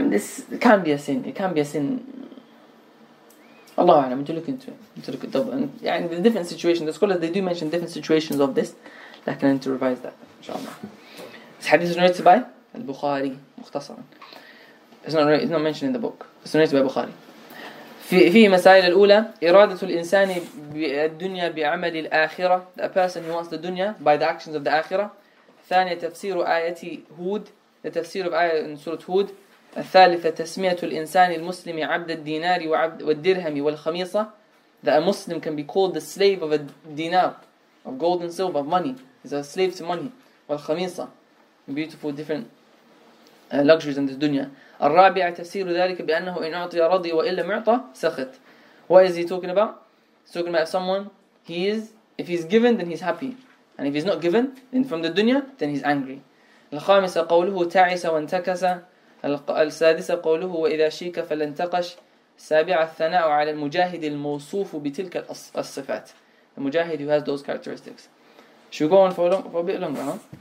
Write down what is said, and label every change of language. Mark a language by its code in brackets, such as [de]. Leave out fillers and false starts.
[en] Nah, this can be a sin. It can be a sin. Allah, I'm to look into it. I'm to look at double. And yeah, in the different situations, the scholars, they do mention different situations of this. I can need to revise that, inshallah. This hadith is narrated by Al-Bukhari. It's not mentioned in the book. It's narrated by Bukhari. [ar] في مسائل الأولى إرادة الإنسان بالدنيا بعمل الآخرة. [en] The person who wants the dunya by the actions of the آخرة. [ar] ثانية تفسير آية هود. [en] The تفسير of آية in سورة هود. [ar] الثالثة تسمية الإنسان المسلم عبد الدينار وعبد والدرهم والخميصة. [en] That a Muslim can be called the slave of a dinar, of gold and silver, of money. He's a slave to money. والخميصة. Beautiful different luxuries in this dunya. [ar] الرابعة تفسير ذلك بأنه إن أعطي رضي وإلا لم يعطى سخط. [en] What is he talking about? He's talking about someone, he is, if he's given then he's happy, and if he's not given then from the dunya then he's angry. [ar] الخامسة قوله تعس وانتكس. السادسة قوله وإذا شيك فلنتقش. سابعة الثناء على المجاهد الموصوف بتلك الصفات. [en] The mujahid who has those characteristics. Should we go on for a, long, for a bit longer, huh?